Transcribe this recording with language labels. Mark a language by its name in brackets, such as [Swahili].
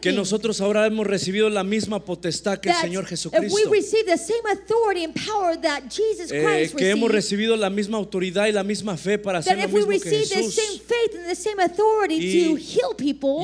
[Spanish] que nosotros ahora hemos recibido la misma potestad que el Señor Jesucristo, [English] that we receive the same authority and power that Jesus Christ [Spanish] que hemos recibido la misma autoridad y la misma fe para hacer lo mismo que Jesús, [English] that if we receive the same faith and the same authority to heal people,